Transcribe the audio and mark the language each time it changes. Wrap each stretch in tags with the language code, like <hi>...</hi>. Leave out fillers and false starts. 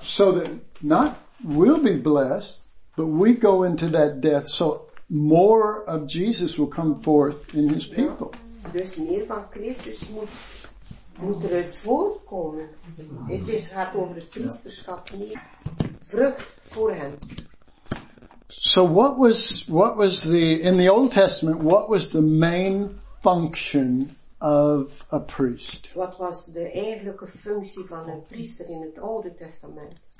<en>So that not we'll be blessed, but we go into that death so more of Jesus will come forth in his people.</en> <nl>Dus meer van Christus moet eruit voortkomen. Het gaat over het priesterschap, meer vrucht voor hem.</nl> <en>So what was the, in the Old Testament, what was the main function of a priest? What was the</en> <nl>eigenlijke functie van een priester in het Oude Testament?</nl>